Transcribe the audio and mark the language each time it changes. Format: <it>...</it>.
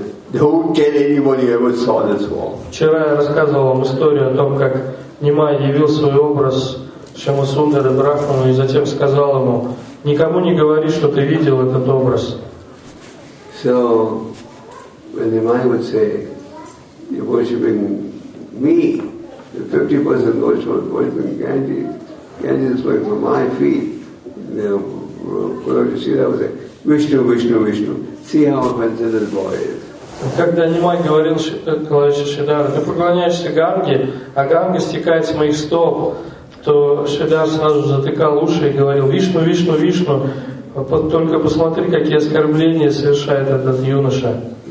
<ru>Вчера я рассказывал вам историю о том, как Немай явил свой образ Шьяма Сундара Брахману и затем сказал ему, никому не говори, что ты видел этот образ.</ru> <en>So, when Nimai would say, you're worshipping me, the 50% worshipping Ganges, Ganges is flowing from my feet, the Guru Shira would say, Vishnu, Vishnu, Vishnu, see how offensive this boy is.</en> <ru>Когда Немай говорил Калайча Шридхару, ты поклоняешься Ганге, а Ганга стекает с моих стоп, то Шридхар сразу затыкал уши и говорил, Вишну, Вишну, Вишну, только посмотри, какие оскорбления совершает этот юноша.</ru>